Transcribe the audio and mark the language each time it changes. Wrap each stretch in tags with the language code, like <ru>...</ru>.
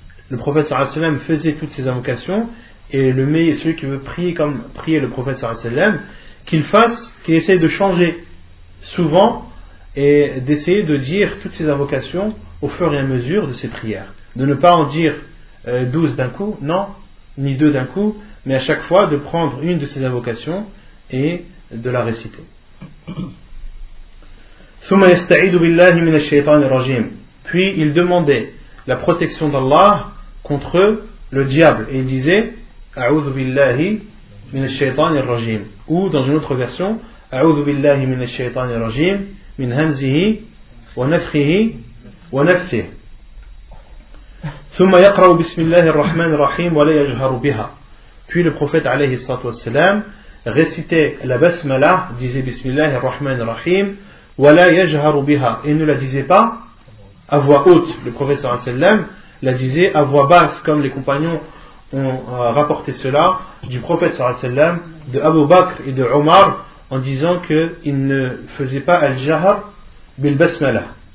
<fr>Le prophète sallallahu alayhi wa sallam faisait toutes ces invocations, et le meilleur, celui qui veut prier comme prier le prophète sallallahu alayhi wa sallam, qu'il essaye de changer souvent et d'essayer de dire toutes ses invocations au fur et à mesure de ses prières, de ne pas en dire 12 d'un coup, non, ni 2 d'un coup, mais à chaque fois de prendre une de ses invocations et de la réciter.</fr> <ar>ثم يستعيد بالله من الشيطان الرجيم.</ar> <fr>Puis il demandait la protection d'Allah contre le diable et il disait</fr> <ar>أعوذ بالله من الشيطان الرجيم,</ar> <fr>ou dans une autre version</fr> <ar>أعوذ بالله من الشيطان الرجيم من همزه ونفخه ونفثه ثم يقرأ بسم الله الرحمن الرحيم ولا يجهر بها.</ar> <fr>Puis le prophète عليه الصلاة والسلام récitait la basmala, disait</fr> <ar>بسم الله الرحمن الرحيم ولا يجهر بها,</ar> <fr>et ne la disait pas à voix haute. Le prophète صلى الله عليه وسلم la disait à voix basse, comme les compagnons ont rapporté cela du prophète sallallahu alayhi wa sallam, de Abu Bakr et de Omar, en disant qu'il ne faisait pas al-jahar bil-basmala.</fr>